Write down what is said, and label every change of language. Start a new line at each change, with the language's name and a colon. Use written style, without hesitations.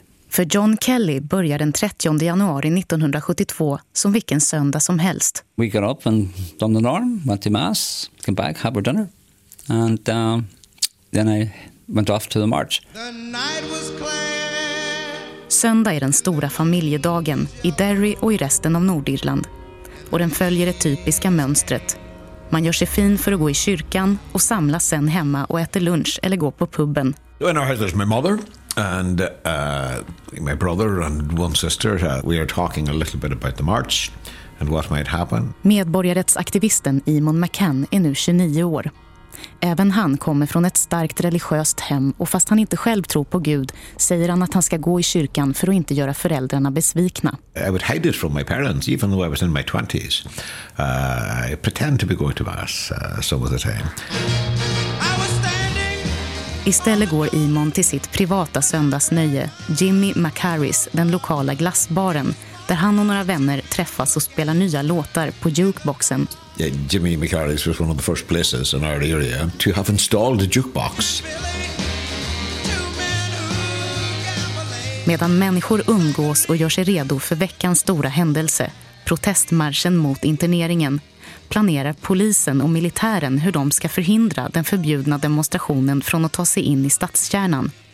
Swedish: För John Kelly börjar den 30 januari 1972 som vilken söndag som helst.
English: We got up and done the norm, went to mass, came back, had our dinner. And then I went off to the march. The night was clear.
Swedish: Söndag är den stora familjedagen i Derry och i resten av Nordirland. Och den följer det typiska mönstret. Man gör sig fin för att gå i kyrkan och samlas sen hemma och äter lunch eller gå på pubben.
English: In our house there's my mother and my brother and one sister. We are talking a little bit about the march and what might happen.
Swedish: Medborgarrättsaktivisten Eamon McCann är nu 29 år. Även han kommer från ett starkt religiöst hem och fast han inte själv tror på Gud säger han att han ska gå i kyrkan för att inte göra föräldrarna besvikna.
English: I would hide it from my parents even though I was in my 20s. I pretend to be going to mass some of the time.
Swedish: Istället går Eamon till sitt privata söndagsnöje, Jimmy McCarrys, den lokala glassbaren där han och några vänner träffas och spelar nya låtar på jukeboxen.
English: Yeah, Jimmy McCarrys was one of the first places in our area to have installed a jukebox.
Swedish: Medan människor umgås och gör sig redo för veckans stora händelse, protestmarschen mot interneringen, planerar polisen och militären hur de ska förhindra den förbjudna demonstrationen från att ta sig in i stadskärnan.